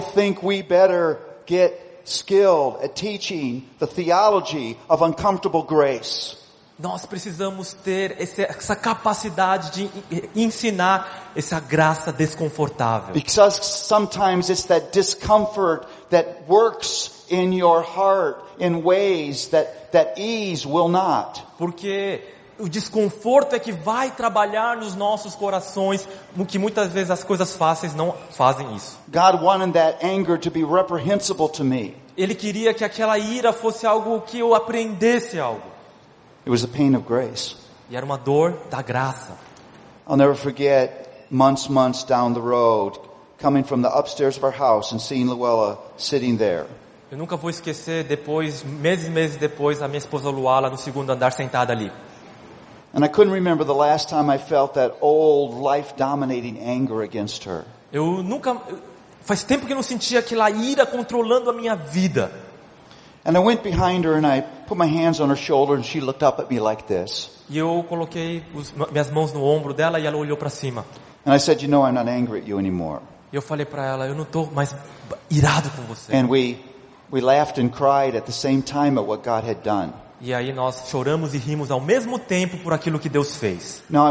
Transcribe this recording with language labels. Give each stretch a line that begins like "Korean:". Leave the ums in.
English: think we better get skilled at teaching the theology of uncomfortable grace.
Portuguese: Nós precisamos ter esse, essa capacidade de ensinar essa graça desconfortável.
English: Because sometimes it's that discomfort that works in your heart in ways that that ease will not.
Portuguese: Porque o desconforto é que vai trabalhar nos nossos corações, que muitas vezes as coisas fáceis não fazem isso.
English: God wanted that anger to be reprehensible to me.
Portuguese: Ele queria que aquela ira fosse algo que eu aprendesse algo.
English: It was a pain of grace.
Portuguese: E era uma dor da graça.
English: I'll never forget months, months down the road, coming from the upstairs of our house and seeing Luella sitting there.
Portuguese: Eu nunca vou esquecer depois, meses e meses depois, a minha esposa Luala no segundo andar sentada ali.
English: And I couldn't remember the last time I felt that old life dominating anger against her.
Portuguese: Eu nunca faz tempo que não sentia aquela ira controlando a minha vida.
English: And I went behind her and I put my hands on her shoulder and she looked up at me like this.
Portuguese: E eu coloquei os, minhas mãos no ombro dela e ela olhou para cima.
English: And I said, you know, I'm not angry at you anymore.
Portuguese: eu falei para ela, eu não tô mais irado com você.
English: And we we laughed and cried at the same time at what God had done.
Portuguese: E aí nós choramos e rimos ao mesmo tempo por aquilo que Deus fez.